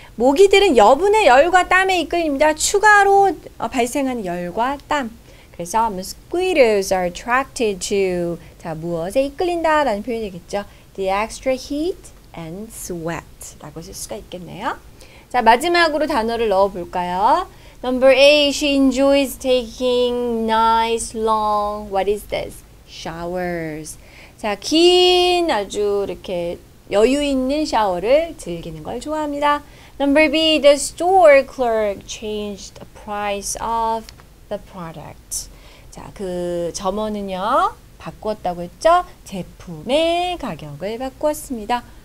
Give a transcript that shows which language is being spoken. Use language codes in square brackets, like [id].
[ko] 모기들은 여분의 열과 땀에 이끌립니다. 추가로 발생하는 열과 땀. 그래서 [en] mosquitoes are attracted to, [ko] 자, 무엇에 이끌린다라는 표현이 되겠죠. [en] The extra heat and sweat [ko] 라고 쓸 수가 있겠네요. 자, 마지막으로 단어를 넣어볼까요? [en] Number A, she enjoys taking nice long, what is this? Showers. [ko] 자, 긴 아주 이렇게 여유 있는 샤워를 즐기는 걸 좋아합니다. [en] Number B, the store clerk changed the price of the product. [ko] 자, 그 점원은요, 바꾸었다고 했죠? 제품의 가격을 바꾸었습니다.